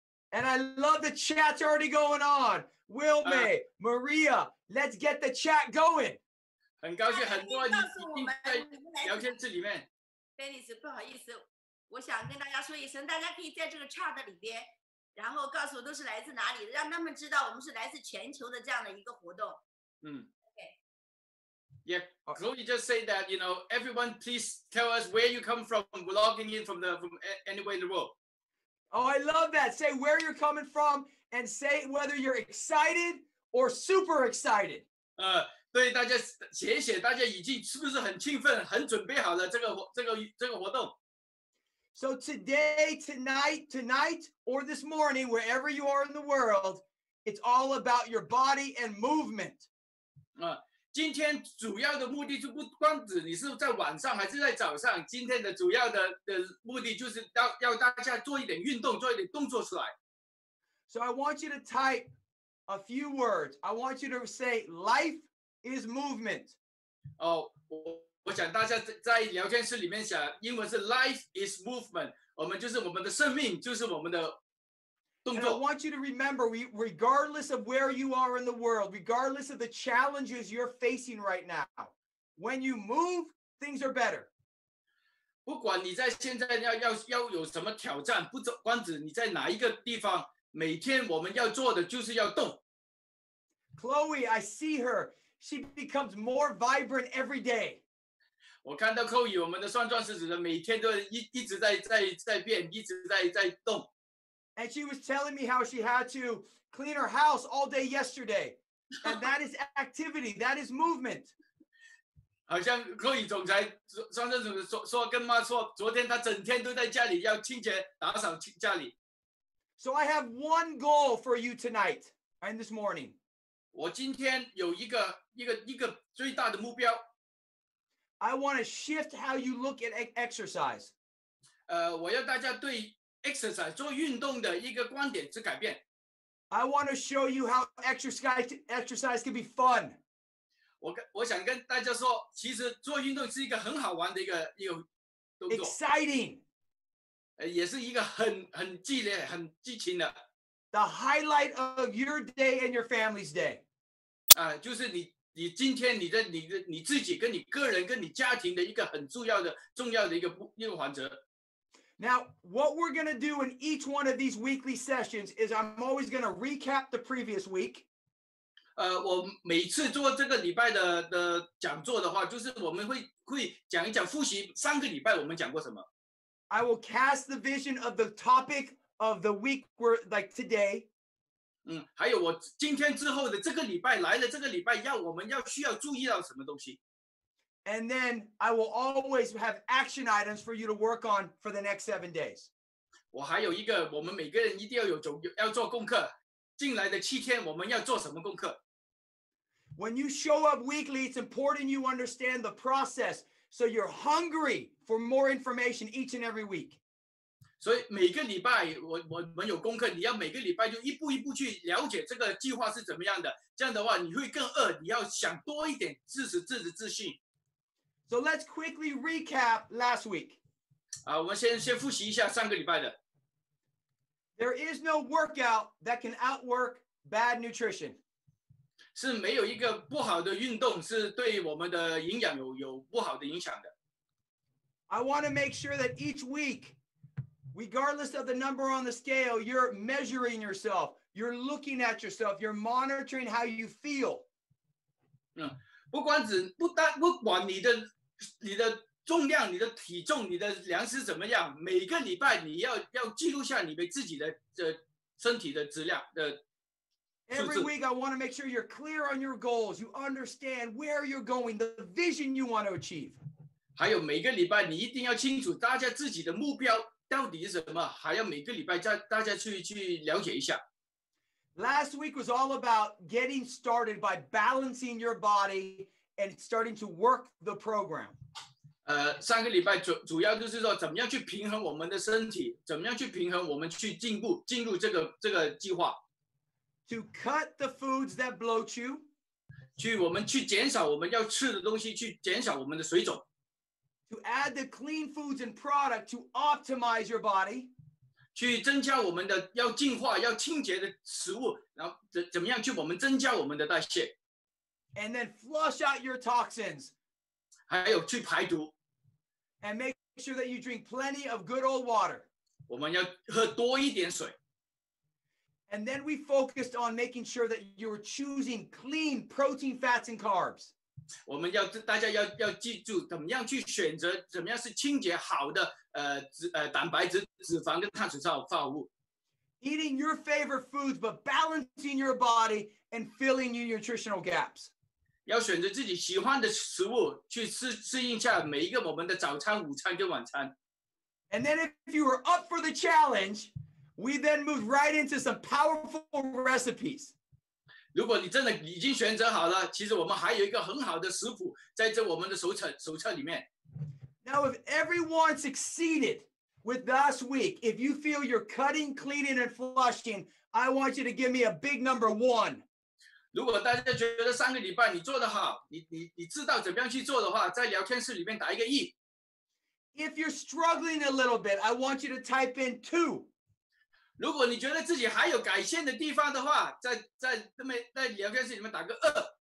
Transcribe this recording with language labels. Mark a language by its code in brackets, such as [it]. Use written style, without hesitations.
[en] And I love the chat already going on. Wilma, Maria, let's get the chat going. [zh] 很高兴很多你已经在聊天室里面。 Dennis， 不好意思，我想跟大家说一声，大家可以在这个 chat 里边，然后告诉我都是来自哪里，让他们知道我们是来自全球的这样的一个活动。嗯。 [en] Yeah, Chloe just said that, you know, everyone please tell us where you come from, logging in from anywhere in the world. Oh, I love that. Say where you're coming from and say whether you're excited or super excited. [zh] 对大家写一写，大家已经是不是很兴奋，很准备好了这个活动。 [en] So today, tonight, or this morning, wherever you are in the world, it's all about your body and movement. [zh] 今天主要的目的就不光指你是在晚上还是在早上，今天的主要 的目的就是 要大家做一点运动，做一点动作出来。 [en] So I want you to type a few words. I want you to say life is movement. [zh] 哦、oh, ，我想大家在聊天室里面想，英文是 [en] life is movement， [zh] 我们就是我们的生命，就是我们的 [en] And I want you to remember, regardless of where you are in the world, regardless of the challenges you're facing right now, when you move, things are better. [zh] 不管你在现在要有什么挑战，不管你在哪一个地方，每天我们要做的就是要动。 [en] Chloe, I see her. She becomes more vibrant every day. [zh] 我看到 Chloe, 我们的双钻是指的每天都一直在变，一直在动。 [en] And she was telling me how she had to clean her house all day yesterday. And that is activity. That is movement. [zh] 好像柯宇总裁双钻总裁说跟妈说，昨天他整天都在家里要清洁打扫家里。 [en] So I have one goal for you tonight and this morning. [zh] 我今天有一个最大的目标。 [en] I want to shift how you look at exercise. [zh] 我要大家对 exercise 做运动的一个观点之改变。 [en] I want to show you how exercise can be fun. [zh] 我想跟大家说，其实做运动是一个很好玩的一个动作。 [en] Exciting. [zh] 也是一个很激烈、很激情的。 [en] The highlight of your day and your family's day. [zh] 就是你今天你自己跟你个人跟你家庭的一个很重要的一个环节。 [en] Now, what we're going to do in each one of these weekly sessions is I'm always going to recap the previous week. [zh] 我每次做这个礼拜的讲座的话，就是我们会讲一讲复习上个礼拜我们讲过什么。 [en] I will cast the vision of the topic of the week we're like today. [zh] 还有我今天之后的这个礼拜来了这个礼拜要我们要需要注意到什么东西。 [en] And then I will always have action items for you to work on for the next 7 days. [zh] 我还有一个，我们每个人一定要要做功课。进来的七天，我们要做什么功课 [en] ？When you show up weekly, it's important you understand the process, so you're hungry for more information each and every week. [zh] 所以每个礼拜我们有功课，你要每个礼拜就一步一步去了解这个计划是怎么样的。这样的话，你会更饿，你要想多一点知识，自持自信。 [en] So let's quickly recap last week. [zh] 我们先复习一下上个礼拜的。 [en] There is no workout that can outwork bad nutrition. [zh] 是没有一个不好的运动是对我们的营养有不好的影响的。 [en] I want to make sure that each week, regardless of the number on the scale, you're measuring yourself, you're looking at yourself, you're monitoring how you feel. [zh] 不管你的重量、你的体重、你的粮食怎么样？每个礼拜你要记录下你们自己的身体的质量的数字。 [en] Every week, I want to make sure you're clear on your goals. You understand where you're going, the vision you want to achieve. [zh] 还有每个礼拜你一定要清楚大家自己的目标到底是什么，还要每个礼拜大家去了解一下。 [en] Last week was all about getting started by balancing your body and starting to work the program. [zh] 上个礼拜主要就是说怎么样去平衡我们的身体，怎么样去平衡我们去进入这个计划。 [en] To cut the foods that bloat you. [zh] 我们去减少我们要吃的东西，去减少我们的水肿。 [en] To add the clean foods and product to optimize your body. [zh] 去增加我们的要净化要清洁的食物，然后怎么样去我们增加我们的代谢。 [en] And then flush out your toxins. [zh] 还有去排毒。 [en] And make sure that you drink plenty of good old water. [zh] 我们要喝多一点水。 [en] And then we focused on making sure that you were choosing clean protein, fats, and carbs. [zh] 我们要大家要记住怎么样去选择怎么样是清洁好的蛋白质、脂肪跟碳水化合物。 [en] Eating your favorite foods, but balancing your body and filling your nutritional gaps. [zh] 要选择自己喜欢的食物去适应一下每一个我们的早餐、午餐跟晚餐。 [en] And then if you were up for the challenge, we then moved right into some powerful recipes. [zh] 如果你真的已经选择好了，其实我们还有一个很好的食谱在这我们的手册里面。 [en] Now if everyone succeeded with last week, if you feel you're cutting, cleaning, and flushing, I want you to give me a big number one. [zh] 如果大家觉得上个礼拜你做得好，你知道怎么样去做的话，在聊天室里面打一个一。 [en] If you're struggling a little bit, I want you to type in two. [zh] 如果你觉得自己还有改善的地方的话，在聊天室里面打个二。